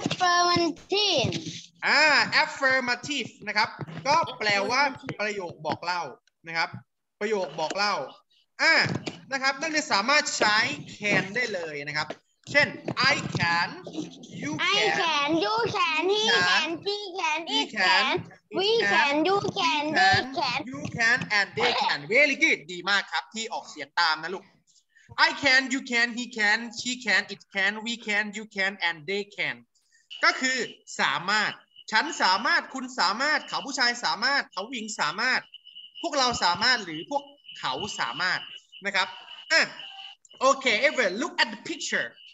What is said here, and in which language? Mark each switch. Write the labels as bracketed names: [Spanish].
[English] affirmative [Thai] affirmative นะครับก็แปลว่าประโยคบอกเล่านะครับประโยคบอกเล่านะครับนักเรียนสามารถใช้ can ได้เลยนะครับเช่น I can you can [English] I can you can he can she can it canWe can, you can, they can. Very good. [Thai] ดีมากครับที่ออกเสียงตามนะลูก [English] I can, you can, he can, she can, it can, we can, you can, and they can. [Thai] ก็คือสามารถฉันสามารถคุณสามารถเขาผู้ชายสามารถเขาหญิงสามารถพวกเราสามารถหรือพวกเขาสามารถนะครับโอเค [English] Ever look at the picture.